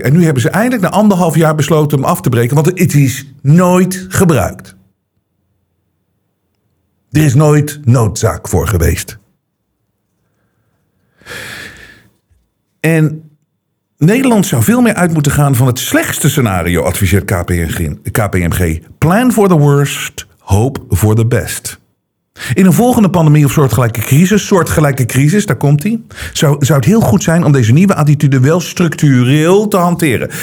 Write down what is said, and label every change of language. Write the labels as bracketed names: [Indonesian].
[Dutch] En nu hebben ze eindelijk na 1,5 jaar besloten om af te breken, want het is nooit gebruikt. Er is nooit noodzaak voor geweest. En Nederland zou veel meer uit moeten gaan van het slechtste scenario, adviseert KPMG. [English] Plan for the worst, hope for the best. [Dutch] In een volgende pandemie of soortgelijke crisis, daar komt die, zou het heel goed zijn om deze nieuwe attitude wel structureel te hanteren.